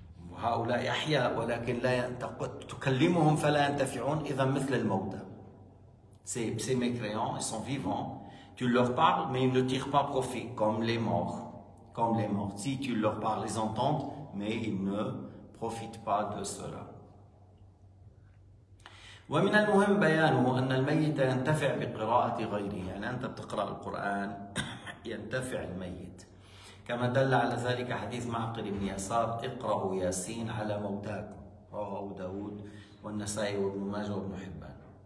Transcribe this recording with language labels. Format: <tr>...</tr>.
<ar>وهؤلاء أحياء ولكن لا تكلمهم فلا ينتفعون إذا مثل الموتى.</ar> <fr>C'est mécréants, ils sont vivants. Tu leur parles, mais ils ne tirent pas profit, comme les morts. Comme les morts. Si tu leur parles, ils entendent, mais ils ne profitent pas de cela.</fr> <ar>ومن المهم بيانه أن الميت ينتفع بقراءة غيره. يعني أنت بتقرأ القرآن ينتفع الميت. كما دل على ذلك حديث معقل بن يسار: اقرأوا ياسين على موتاكم. رواه أبو داود والنسائي وابن ماجه وابن حبان.</ar>